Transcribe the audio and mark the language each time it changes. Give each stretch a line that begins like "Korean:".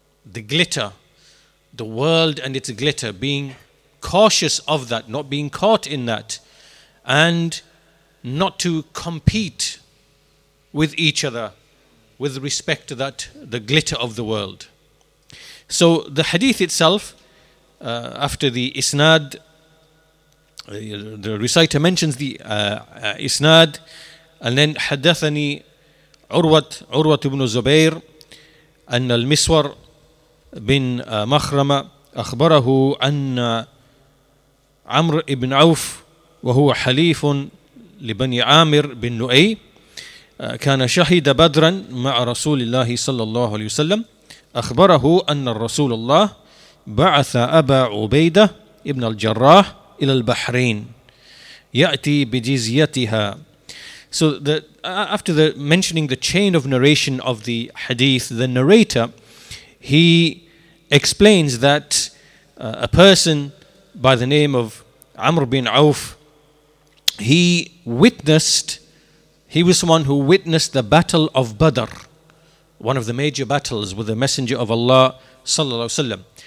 English: The glitter, the world and its glitter, being cautious of that, not being caught in that, and not to compete with each other with respect to that, the glitter of the world. So the hadith itself, after the isnad, the reciter mentions the isnad, and then
Arabic: حدثني عروة بن زبير أن المسور بن مخرمة أخبره أن عمرو بن عوف وهو حليف لبني عامر بن لؤي كان شهد بدرا مع رسول الله صلى الله عليه وسلم أخبره أن الرسول الله بعث أبا عبيدة ابن الجراح إلى البحرين يأتي بجزيتها.
English: So the, after the mentioning the chain of narration of the hadith, the narrator, he explains that a person by the name of Amr bin Auf, he was one who witnessed the battle of Badr, one of the major battles with the Messenger of Allah sallallahu alaihi wasallam.